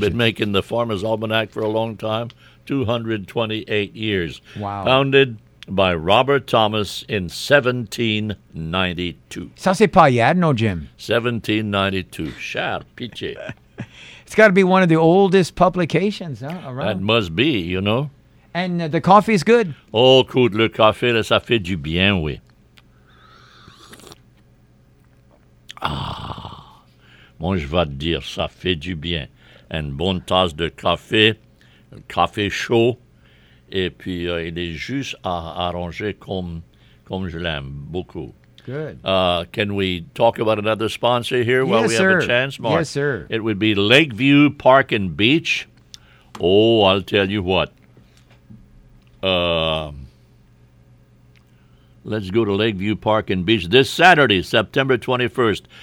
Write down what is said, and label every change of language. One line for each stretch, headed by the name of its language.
English: They've been making the Farmer's Almanac for a long time, 228 years. Wow. Founded by Robert Thomas in 1792.
French: Ça, c'est pas hier,
English: no, Jim?
French: 1792. Cher piche.
English: It's got to be one of the oldest publications, huh, around. That must be, you know. And the coffee is good.
French: Oh, écoute, le café, ça fait du bien, oui. Moi, je vais te dire, ça fait du bien. Une bonne tasse de café, un café chaud, et puis il est juste arrangé comme je l'aime beaucoup.
English: Good. Can we talk about another sponsor here while yes, we sir. Have a chance, Mark? Yes, sir. It would be Lakeview Park and Beach. Oh, I'll tell you what. Let's go to Lakeview Park and Beach this Saturday, September 21st.